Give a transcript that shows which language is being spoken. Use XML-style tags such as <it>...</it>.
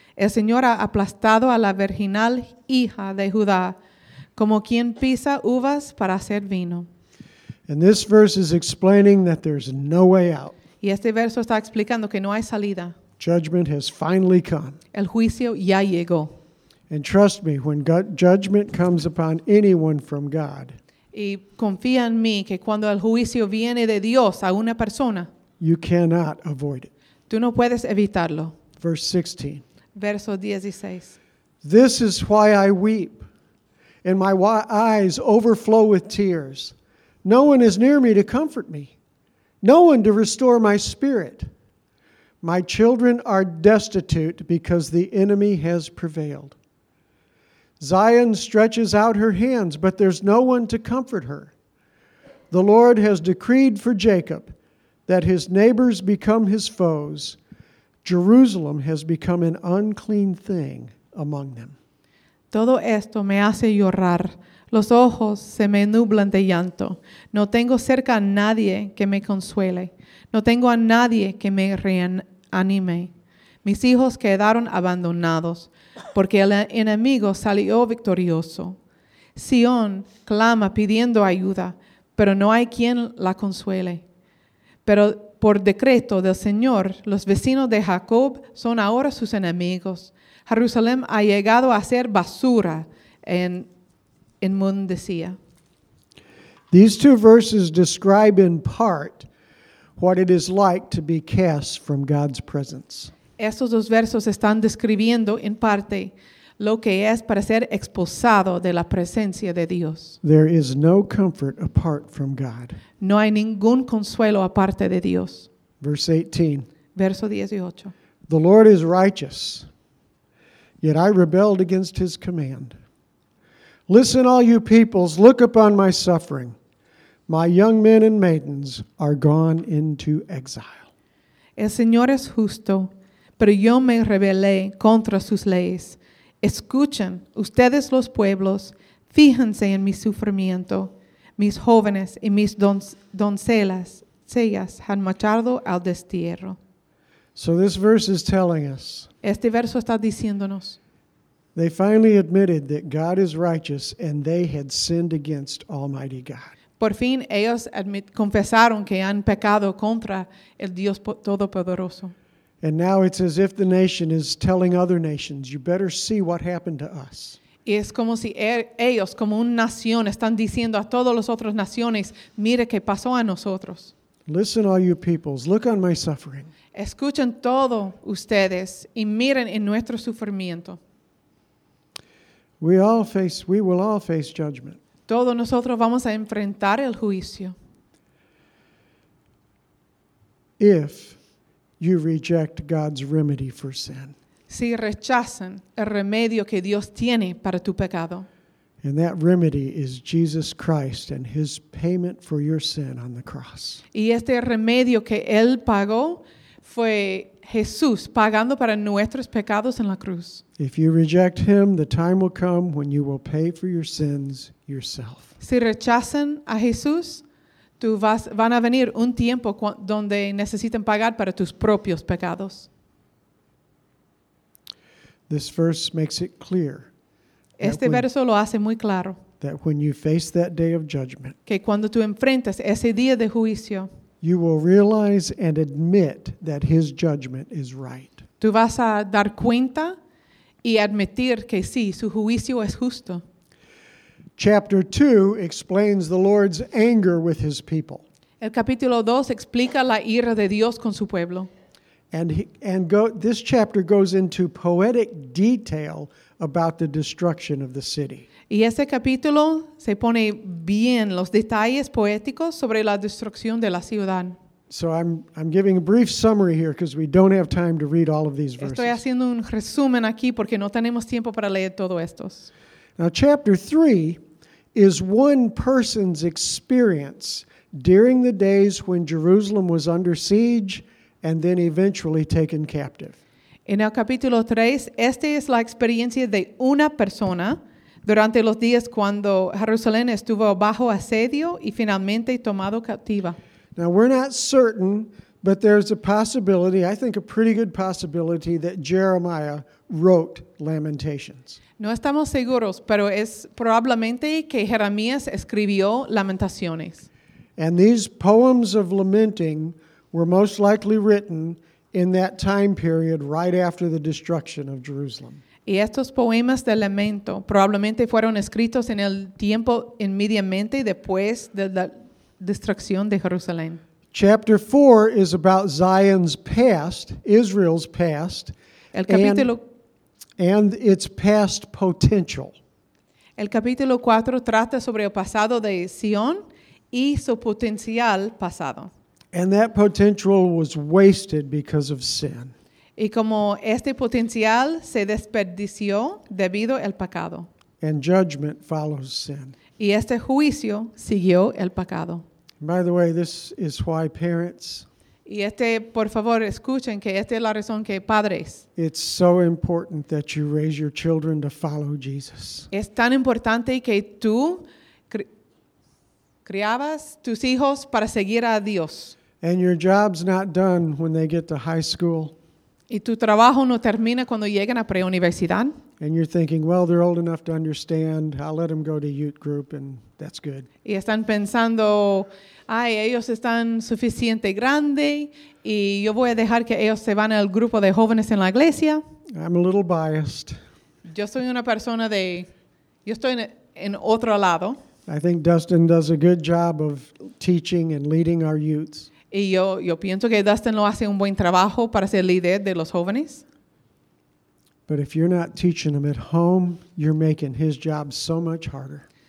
<es>El Señor ha aplastado a la virginal hija de Judá, como quien pisa uvas para hacer vino.</es> <en>And this verse is explaining that there's no way out.</en> <es>Y este verso está explicando que no hay salida.</es> <en>Judgment has finally come.</en> <es>El juicio ya llegó.</es> <en>And trust me, when judgment comes upon anyone from God,</en> <es>y confía en mí que cuando el juicio viene de Dios a una persona,</es> <en>you cannot avoid it.</en> <es>Tú no puedes evitarlo.</es> <en>Verse 16.</en> <es>Verso 16.</es> <en>This is why I weep. And my eyes overflow with tears. No one is near me to comfort me. No one to restore my spirit. My children are destitute because the enemy has prevailed. Zion stretches out her hands, but there's no one to comfort her. The Lord has decreed for Jacob that his neighbors become his foes. Jerusalem has become an unclean thing among them.</en> <es>Todo esto me hace llorar. Los ojos se me nublan de llanto. No tengo cerca a nadie que me consuele. No tengo a nadie que me reanime. Mis hijos quedaron abandonados porque el enemigo salió victorioso. Sión clama pidiendo ayuda, pero no hay quien la consuele. Pero por decreto del Señor, los vecinos de Jacob son ahora sus enemigos. Jerusalén ha llegado a ser basura en inmundicia.</es> <en>These two verses describe in part what it is like to be cast from God's presence.</en> <es>Estos dos versos están describiendo en parte lo que es para ser expulsado de la presencia de Dios.</es> <en>There is no comfort apart from God.</en> <es>No hay ningún consuelo aparte de Dios.</es> <en>Verse 18.</en> <es>Verso 18.</es> <en>The Lord is righteous. Yet I rebelled against his command. Listen, all you peoples, look upon my suffering. My young men and maidens are gone into exile.</en> <es>El Señor es justo, pero yo me rebelé contra sus leyes. Escuchen, ustedes los pueblos, fíjense en mi sufrimiento. Mis jóvenes y mis doncellas, ellas han marchado al destierro.</es> <en>So this verse is telling us.</en> <es>Este verso está diciéndonos.</es> <en>They finally admitted that God is righteous and they had sinned against Almighty God.</en> <es>Por fin ellos confesaron que han pecado contra el Dios Todopoderoso.</es> <en>And now it's as if the nation is telling other nations, you better see what happened to us.</en> <es>Y es como si ellos, como una nación, están diciendo a todas las otras naciones, mire qué pasó a nosotros.</es> <en>Listen, all you peoples, look on my suffering.</en> <es>Escuchen todo ustedes y miren en nuestro sufrimiento.</es> <en>We will all face judgment.</en> <es>Todos nosotros vamos a enfrentar el juicio.</es> <en>If you reject God's remedy for sin.</en> <es>Si rechazan el remedio que Dios tiene para tu pecado.</es> <en>And that remedy is Jesus Christ and his payment for your sin on the cross.</en> <es>Y este remedio que él pagó fue Jesús pagando para nuestros pecados en la cruz.</es> <en>If you reject him, the time will come when you will pay for your sins yourself.</en> <es>Si rechazan a Jesús, van a venir un tiempo donde necesitan pagar para tus propios pecados.</es> <en>This verse makes it clear.</en> <es>Este verso lo hace muy claro.</es> <en>That when you face that day of judgment,</en> <es>que cuando tú enfrentas ese día de juicio,</es> <en>you will realize and admit that his judgment is right.</en> <es>Tú vas a dar cuenta y admitir que sí, su juicio es justo.</es> <en>Chapter 2 explains the Lord's anger with his people.</en> <es>El capítulo 2 explica la ira de Dios con su pueblo.</es> <en>This chapter goes into poetic detail about the destruction of the city.</en> <es>Y ese capítulo se pone bien los detalles poéticos sobre la destrucción de la ciudad.</es> <en>So I'm giving a brief summary here because we don't have time to read all of these verses.</en> <es>Estoy haciendo un resumen aquí porque no tenemos tiempo para leer todos estos.</es> <en>Now chapter 3 is one person's experience during the days when Jerusalem was under siege and then eventually taken captive.</en> <es>En el capítulo 3, esta es la experiencia de una persona durante los días cuando Jerusalén estuvo bajo asedio y finalmente tomado cautiva.</es> <en>Now we're not certain, but there's a possibility, I think a pretty good possibility, that Jeremiah wrote Lamentations.</en> <es>No estamos seguros, pero es probablemente que Jeremías escribió Lamentaciones.</es> <en>And these poems of lamenting were most likely written in that time period right after the destruction of Jerusalem.</en> <es>Y estos poemas de lamento probablemente fueron escritos en el tiempo inmediatamente después de la destrucción de Jerusalén.</es> <en>Chapter 4 is about Zion's past, Israel's past, and its past potential.</en> <es>El capítulo 4 trata sobre el pasado de Sion y su potencial pasado.</es> <en>And that potential was wasted because of sin.</en> <es>Y como este potencial se desperdició debido al pecado.</es> <en>And judgment follows sin.</en> <es>Y este juicio siguió el pecado.</es> <en>By the way, this is why parents.</en> <es>Y este, por favor, escuchen que esta es la razón que padres.</es> <en>It's so important that you raise your children to follow Jesus.</en> <es>Es tan importante que tú criabas tus hijos para seguir a Dios.</es> <en>And your job's not done when they get to high school.</en> <es>Y tu trabajo no termina cuando llegan a preuniversidad.</es> <en>And you're thinking, well, they're old enough to understand. I'll let them go to youth group and that's good.</en> <es>Y están pensando, ay, ellos están suficiente grande y yo voy a dejar que ellos se van al grupo de jóvenes en la iglesia.</es> <en>I'm a little biased.</en> <es>Yo soy una persona yo estoy en otro lado.</es> <en>I think Dustin does a good job of teaching and leading our youths.</en> <es>Y yo pienso que Dustin lo hace un buen trabajo para ser líder de los jóvenes.</es> <en>But if you're not teaching them at home, you're making his job so much harder.</en>